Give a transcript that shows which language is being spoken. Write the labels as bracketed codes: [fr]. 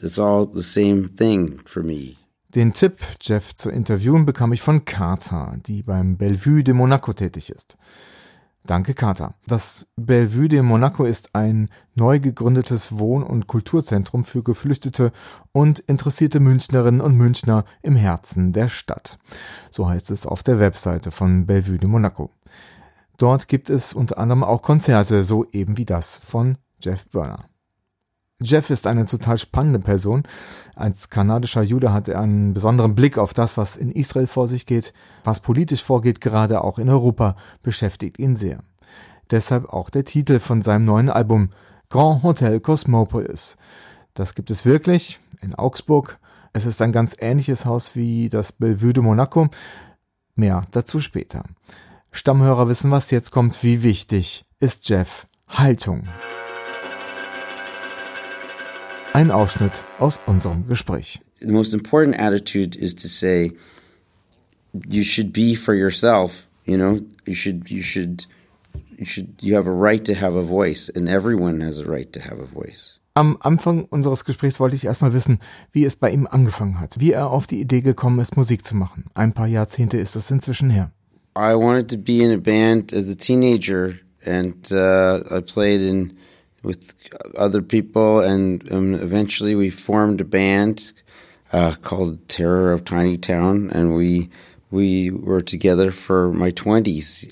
[en] It's all the same thing for me. [de] Den Tipp, Jeff zu interviewen, bekam ich von Kata, die beim Bellevue de Monaco tätig ist. Danke, Kata. Das Bellevue de Monaco ist ein neu gegründetes Wohn- und Kulturzentrum für Geflüchtete und interessierte Münchnerinnen und Münchner im Herzen der Stadt. So heißt es auf der Webseite von Bellevue de Monaco. Dort gibt es unter anderem auch Konzerte, so eben wie das von Jeff Burner. Jeff ist eine total spannende Person. Als kanadischer Jude hat er einen besonderen Blick auf das, was in Israel vor sich geht. Was politisch vorgeht, gerade auch in Europa, beschäftigt ihn sehr. Deshalb auch der Titel von seinem neuen Album Grand Hotel Cosmopolis. Das gibt es wirklich in Augsburg. Es ist ein ganz ähnliches Haus wie das Bellevue de Monaco. Mehr dazu später. Stammhörer wissen, was jetzt kommt. Wie wichtig ist Jeff Haltung? Ein Ausschnitt aus unserem Gespräch. [en] The most important attitude is to say, you should be for yourself. You know, you have a right to have a voice, and everyone has a right to have a voice. [de] Am Anfang unseres Gesprächs wollte ich erstmal wissen, wie es bei ihm angefangen hat, wie er auf die Idee gekommen ist, Musik zu machen. Ein paar Jahrzehnte ist das inzwischen her. [en] I wanted to be in a band as a teenager, and I played in with other people, and eventually we formed a band called Terror of Tiny Town, and we were together for my 20s.